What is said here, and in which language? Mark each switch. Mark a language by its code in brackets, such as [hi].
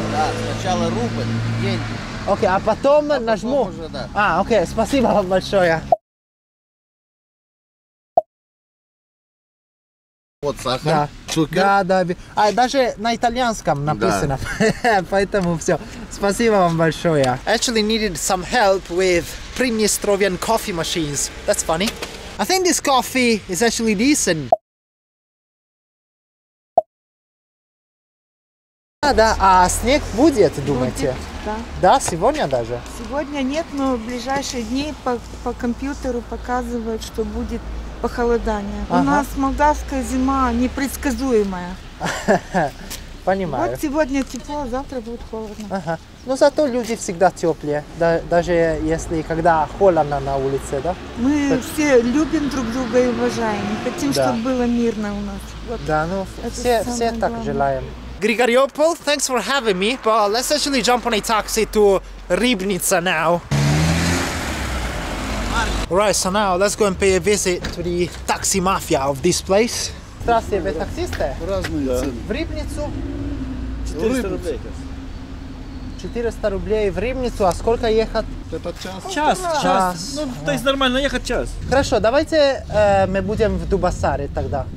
[ru] Да, сначала рубль, деньги. Окей, а потом нажму. А, окей, спасибо вам большое. Вот сахар, да. Да, да. А даже на итальянском написано. Да. Поэтому все. Спасибо вам большое. [en] Actually needed some help with Pre-Nistrovian coffee machines. That's funny. I think this coffee is actually decent. [ru] Да, а снег будет, думаете? Будет, да. Да, сегодня даже? Сегодня нет, но в ближайшие дни по компьютеру показывают, что будет похолодание. Ага. У нас молдавская зима непредсказуемая. Понимаю. Вот сегодня тепло, а завтра будет холодно. Ага. Но зато люди всегда теплые, даже если когда холодно на улице, да? Мы так... все любим друг друга и уважаем. Хотим, да, чтобы было мирно у нас. Вот. Да, ну все так желаем. [en] Grigoriopol, thanks for having me, but let's actually jump on a taxi to Ribnica now. Alright, so now let's go and pay a visit to the taxi mafia of this place. [ru] Здравствуйте, вы таксисты? Разные цены. В Рибницу? 400 рублей в Рибницу, а сколько ехать? Это час. Час, час. Час. Ну, ага. То есть нормально ехать час. Хорошо, давайте мы будем в Дубасаре тогда.